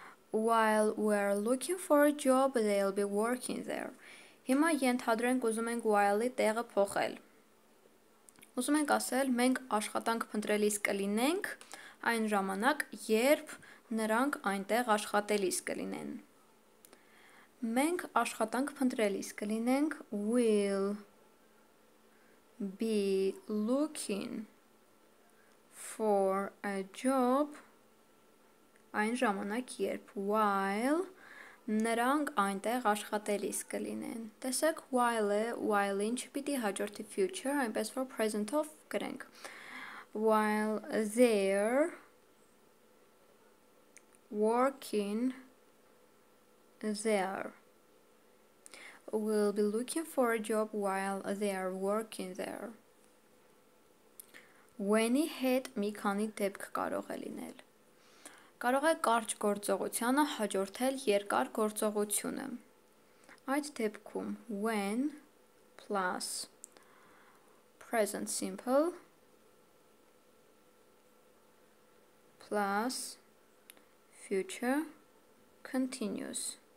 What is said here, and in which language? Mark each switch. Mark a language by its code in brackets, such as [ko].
[en] While we're looking for a job, they'll be working there. [hy] Հիմա ենթադրենք ուզում ենք while-ի տեղը փոխել. Ուզում ենք ասել, մենք աշխատանք փնտրելիս կլինենք, այն ժամանակ, երբ նրանք այնտեղ աշխատելիս կլինեն։ Մենք աշխատանք փնտրելիս կլինենք [en] will be looking for a job [hy] այն ժամանակ, երբ while նրանք այնտեղ աշխատելիս կլինեն։ Տեսեք, while-ը, while-ին չպիտի հաջորդի future, այնպես որ present-ով գրենք։ [en] While they're working there. We'll be looking for a job while they're working there. [hy] When-ի հետ մի քանի դեպք կարող է լինել։ Կարող է կարճ գործողությանը հաջորդել երկար գործողությունը։ Այդ դեպքում [en] when plus present simple plus future continuous.